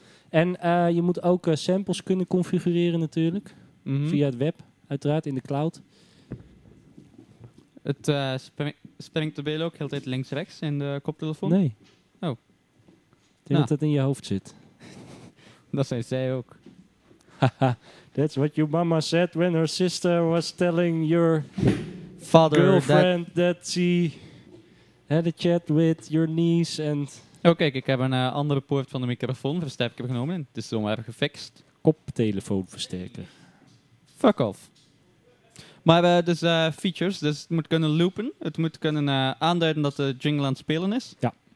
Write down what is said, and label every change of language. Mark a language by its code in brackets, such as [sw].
[nl] En je moet ook samples kunnen configureren natuurlijk. Mm-hmm. Via het web, uiteraard, in de cloud. Het springt de beel ook heel de tijd links-rechts in de koptelefoon? Nee. Oh. Ik denk dat het in je hoofd zit. Dat zijn zij ook. [en] That's what your mama said when her sister was telling your father girlfriend that she had a chat with your niece. And [nl] oh, kijk, ik heb een andere poort van de microfoon versterker genomen. Het is zomaar gefixt. Koptelefoon versterker. [en] Fuck off. [nl] Maar features, dus het moet kunnen loopen. Het moet kunnen aanduiden dat de jingle aan het spelen is. Ja.